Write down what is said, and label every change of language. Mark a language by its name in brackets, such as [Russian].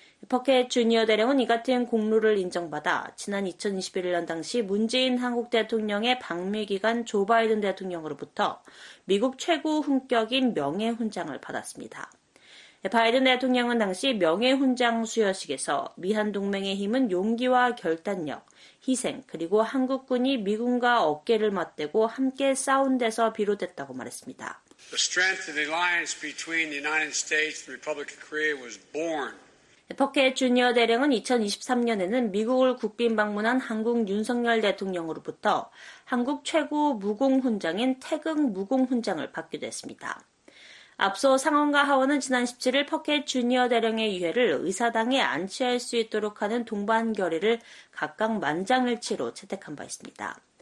[Korean] 퍼켓 주니어 대령은 이 같은 공로를 인정받아 지난 2021년 당시 문재인 한국 대통령의 방미 기간 조 바이든 대통령으로부터 미국 최고 훈격인 명예훈장을 받았습니다. 바이든 대통령은 당시 명예훈장 수여식에서 미한 동맹의 힘은 용기와 결단력, 희생, 그리고 한국군이 미군과 어깨를 맞대고 함께 싸운 데서 비롯됐다고 말했습니다. [English] The strength of the alliance between the United States and the Republic of Korea was born. [Korean] 퍼케 주니어 대령은 2023년에는 미국을 국빈 방문한 한국 윤석열 대통령으로부터 한국 최고 무공훈장인 태극 무공훈장을 받기도 했습니다. 앞서 상원과 하원은 지난 17일 퍼케 주니어 대령의 유해를 의사당에 안치할 수 있도록 하는 동반 결의를 각각 만장일치로 채택한 바 있습니다.